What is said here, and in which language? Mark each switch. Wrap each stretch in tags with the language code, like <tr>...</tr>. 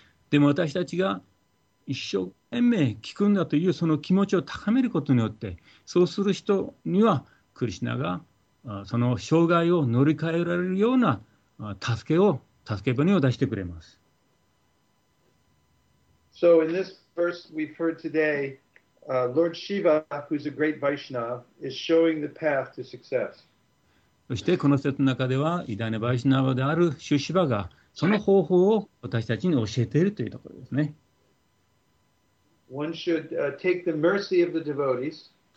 <ja>でも私たちが一生懸命聞くんだというその気持ちを高めることによってそうする人にはクリシナがその障害を乗り換えられるような助け舟を出してくれます。</ja> <en>So in this verse we've heard today Lord Shiva who's a great Vaishnava is showing the path to success.</en> <ja>そしてこの説の中では偉大なバイシナバであるシュシバがその方法を私たちに教えているというところですね。</ja> <en>One should take the mercy of the devotees.</en>